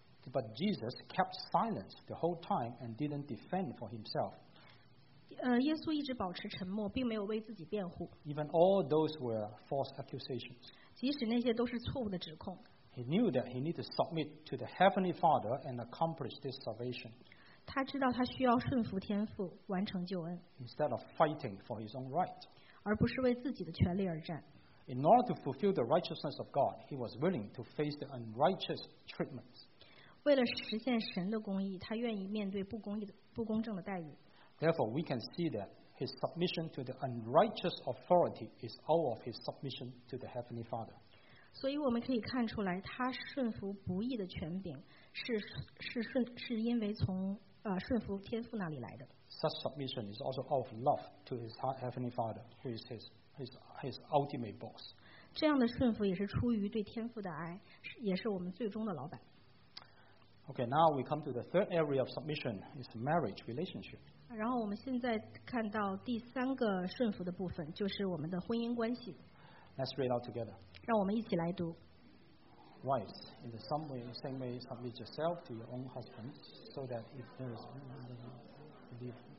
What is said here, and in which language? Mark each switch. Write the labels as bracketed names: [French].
[English] But Jesus kept silence the whole time and didn't defend for himself. [Chinese] 耶稣一直保持沉默，并没有为自己辩护。 [English] Even all those were false accusations. [Chinese] 即使那些都是错误的指控。 [English] He knew that he needed to submit to the Heavenly Father and accomplish this salvation. [Chinese] 他知道他需要顺服天父，完成救恩。 [English] Instead of fighting for his own right. [Chinese] 而不是为自己的权利而战。 [English] In order to fulfill the righteousness of God, he was willing to face the unrighteous treatment. [Chinese] 为了实现神的公义，他愿意面对不公正的待遇。 [English] Therefore, we can see that his submission to the unrighteous authority is all of his submission to the Heavenly Father. [Chinese] 所以我们可以看出来，他顺服不义的权柄是因为从顺服天父那里来的。 [English] Such submission is also out of love to his heavenly father, who is his ultimate boss. [Chinese] 这样的顺服也是出于对天父的爱，也是我们最终的老板。 [English] Okay, now we come to the third area of submission, is marriage relationship. [Chinese] 然后我们现在看到第三个顺服的部分，就是我们的婚姻关系。 [English] Let's read out together. [Chinese] 让我们一起来读。 [English] Wives, in the same way, submit yourself to your own husband, so that if there is